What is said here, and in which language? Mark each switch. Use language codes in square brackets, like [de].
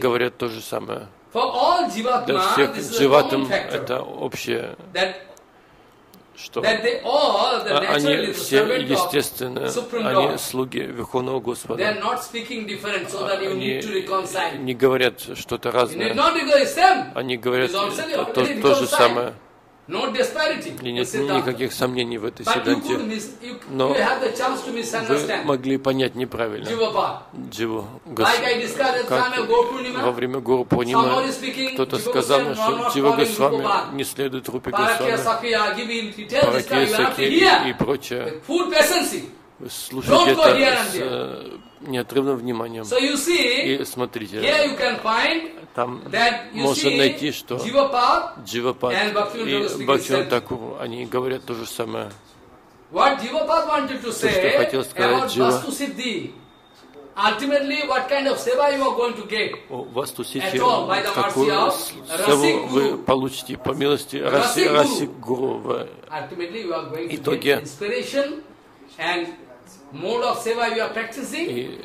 [en] For all Jivatma, this is a common factor. That they all the natural servant of Supreme Lord. They are not speaking different, so that you need to reconcile. [ru] Не говорят что-то разное. [en] Not because it's them. [ru] Они говорят то же самое. [en] No disparity. [ru] И нет никаких сомнений в этой ситуации. Но вы могли понять неправильно. Дживу, Госвами. Во время Гуру Пурнима кто-то сказал, что Дживу Госвами не следует Рупе Госвами, Паракия Саки и прочее. [en] Full presence. [ru] Слушайте это с неотрывным вниманием. И смотрите. Там можно найти, что Дживапад и Бхактивинода Тхакур, они говорят то же самое. [en] What Jivapad wanted to say about Vastu Siddhi, ultimately what kind of seva you are going to get at all by the mercy of Rasik Guru? [ru] Получите по милости Rasik Guru. [en] Ultimately you are going to get inspiration and mode of seva you are practicing.